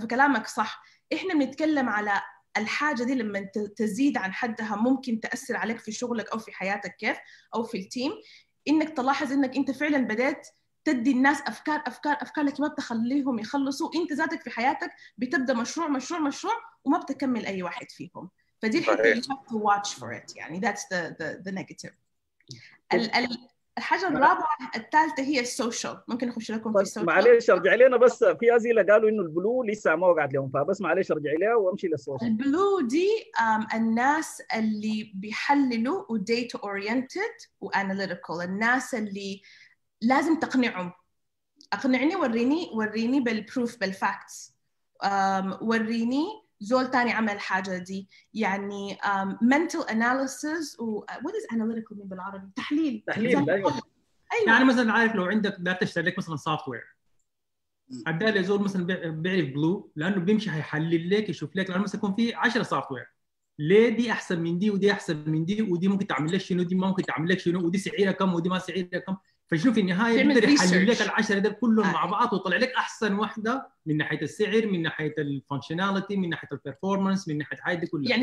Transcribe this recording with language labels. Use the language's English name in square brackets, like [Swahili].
[Arabic] فكلامك صح، احنا بنتكلم على الحاجة دي لما تزيد عن حدها ممكن تأثر عليك في شغلك او في حياتك كيف او في التيم، انك تلاحظ انك انت فعلا بدأت تدي الناس افكار افكار افكار لكن ما بتخليهم يخلصوا، انت ذاتك في حياتك بتبدأ مشروع مشروع مشروع وما بتكمل اي واحد فيهم. فدي الحته اللي [English] have to watch for it، يعني that's the negative. [Arabic] الحاجه الرابعه الثالثه هي السوشيال، ممكن اخش لكم في السوشيال. معليش ارجع لنا بس في اسئله قالوا انه البلو لسه ما وقعت لهم، فبس معليش ارجع لها وامشي للسوشيال. البلو دي الناس اللي بيحللوا وديتا اورينتد واناليتيكال، الناس اللي لازم تقنعهم، اقنعني وريني بالبروف بالفاكتس، وريني زول تاني عمل حاجة دي. [English] يعني mental analysis و what is analytical mean [Arabic] بالعربي؟ تحليل. أيوة. يعني مثلا عارف لو عندك ده تشتري لك مثلا software عدها لزول مثلا بيعرف blue لأنه بيمشي هيحلل لك يشوف لك، لأنه مثلا يكون فيه 10 software ليه دي أحسن من دي ودي أحسن من دي ودي ممكن تعمل لك شنو ودي ما ممكن تعمل لك شنو ودي سعيرها كم ودي ما سعيرها كم، فشوف النهاية بيقدر يحلل لك العشرة ده كلهم مع بعض وطلع لك أحسن واحدة من ناحية السعر، من ناحية الفانكشناليتي، من ناحية البرفورمانس، من ناحية هاي دي كلها.